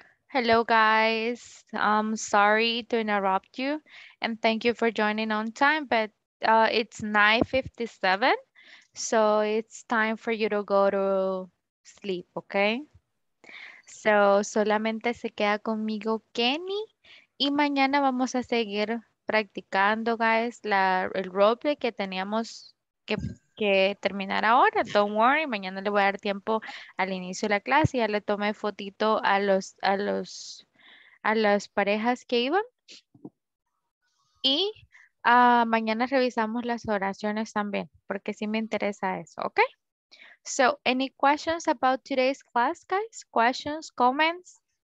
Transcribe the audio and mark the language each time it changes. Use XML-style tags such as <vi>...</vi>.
<en>Hello guys, I'm sorry to interrupt you and thank you for joining on time, but it's 9:57, so it's time for you to go to sleep, okay?</en> <es>So solamente se queda conmigo Kenny y mañana vamos a seguir practicando, guys, el roleplay que teníamos que terminar ahora.</es> <en>Don't worry,</en> <es>mañana le voy a dar tiempo al inicio de la clase. Ya le tomé fotito a las parejas que iban. Y mañana revisamos las oraciones también, porque sí me interesa eso, ¿ok?</es> <en>So, any questions about today's class, guys? Questions, comments,</en>